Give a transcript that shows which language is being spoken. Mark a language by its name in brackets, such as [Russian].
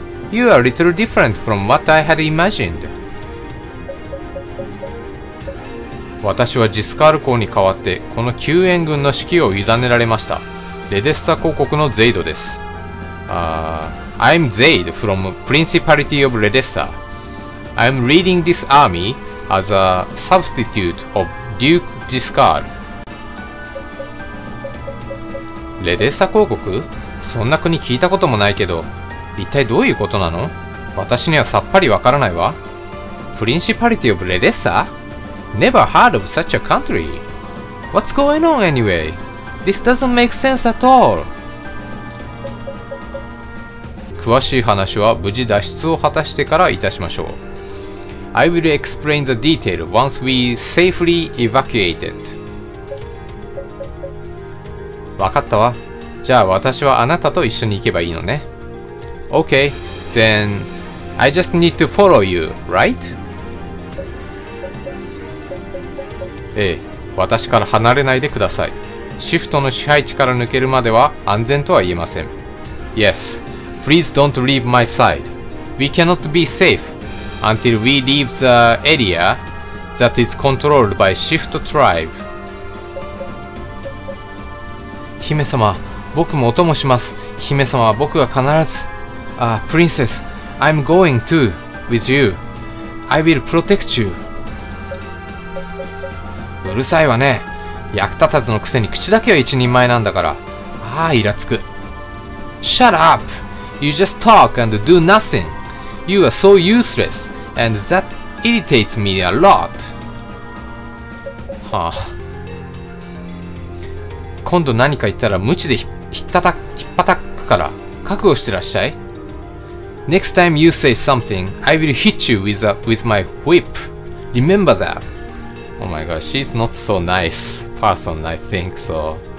[English] You are a little different from what I had imagined. [Japanese] 私はジスカール公に代わってこの救援軍の指揮を委ねられました。レデスタ公国のゼイドです。 [English] I'm Zaid from Principality of Redessa. I'm leading this army as a substitute of Duke Giscard. [Japanese] レデスタ公国？そんな国聞いたこともないけど。一体どういうことなの？私にはさっぱりわからないわ。 [English] プリンシパリティオブレデッサ？ Never heard of such a country. What's going on anyway? This doesn't make sense at all. [Japanese] 詳しい話は無事脱出を果たしてからいたしましょう。 [English] I will explain the detail once we safely evacuated. [Japanese] わかったわ。じゃあ私はあなたと一緒に行けばいいのね。 [English] Okay, then I just need to follow you, right? [Japanese] ええ、私から離れないでください。シフトの支配地から抜けるまでは安全とは言えません。 [English] Yes, please don't leave my side. We cannot be safe until we leave the area that is controlled by Shift Tribe. [Japanese] 姫様、僕もお供します。姫様は僕が必ず。 [English] Princess, I'm going too, with you. I will protect you. [Japanese] うるさいわね。役立たずのくせに口だけは一人前なんだから。イラつく。 [English] Shut up! You just talk and do nothing. You are so useless, and that irritates me a lot. はあ。 [Japanese] 今度何か言ったら無知で ひっぱたくから、覚悟してらっしゃい。 [English] Next time you say something, I will hit you with my whip. Remember that. Oh my god, she's not so nice person, I think so.